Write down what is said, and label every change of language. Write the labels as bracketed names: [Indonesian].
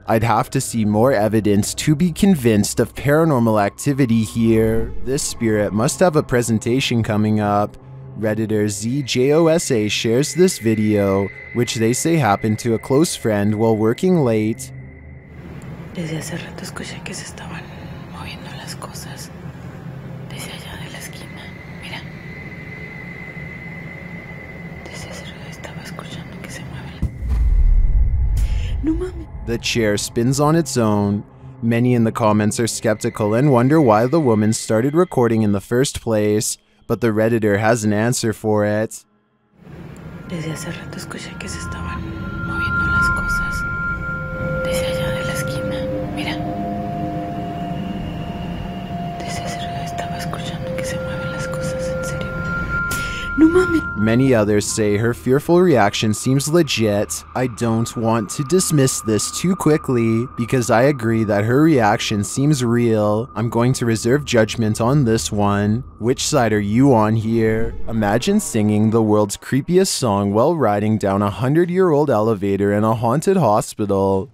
[English] I'd have to see more evidence to be convinced of paranormal activity here. This spirit must have a presentation coming up. Redditor ZJOSA shares this video, which they say happened to a close friend while working late. [Spanish] Desde hace rato escuché que se estaban moviendo las cosas. Desde allá de la esquina, mira. Desde hace rato estaba escuchando que se mueven. No, mommy. [English] The chair spins on its own. Many in the comments are skeptical and wonder why the woman started recording in the first place, but the Redditor has an answer for it. [Spanish] Desde hace rato escuché que se estaban moviendo las cosas. Desde allá de la esquina, mira. Desde hace rato estaba escuchando que se mueven las cosas, en serio. No mames. [English] Many others say her fearful reaction seems legit. I don't want to dismiss this too quickly because I agree that her reaction seems real. I'm going to reserve judgment on this one. Which side are you on here? Imagine singing the world's creepiest song while riding down a 100-year-old elevator in a haunted hospital.